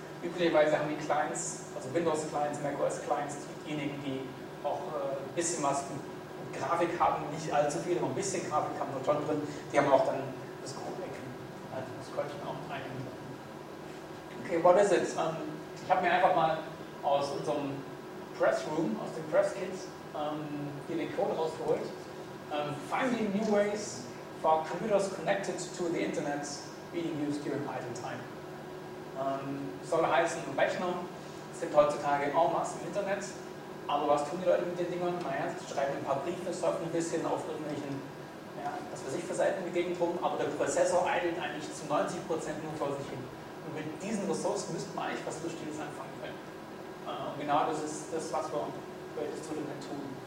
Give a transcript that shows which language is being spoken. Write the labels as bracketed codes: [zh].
[de] Üblicherweise haben die Clients, also Windows-Clients, macOS-Clients, diejenigen, die auch ein bisschen was mit Grafik haben, nicht allzu viel, aber ein bisschen Grafik haben wir schon drin, die haben auch dann das Kuh-Icon als Maskottchen auch ein. [en] Okay, what is it? [de] Ich habe mir einfach mal aus unserem Pressroom, aus dem Presskit, hier den Code rausgeholt. [en] Finding new ways for computers connected to the Internet being used during idle time. [de] Soll heißen, Rechner sind heutzutage en masse im Internet, aber was tun die Leute mit den Dingern? Naja, sie schreiben ein paar Briefe, surfen ein bisschen auf irgendwelchen, ja, was weiß ich für Seiten die Gegend rum, aber der Prozessor idelt eigentlich zu 90% nur vor sich hin. Und mit diesen Ressourcen müsste man eigentlich was Lustiges anfangen können. Und genau das ist das, was wir welches zu dem tun.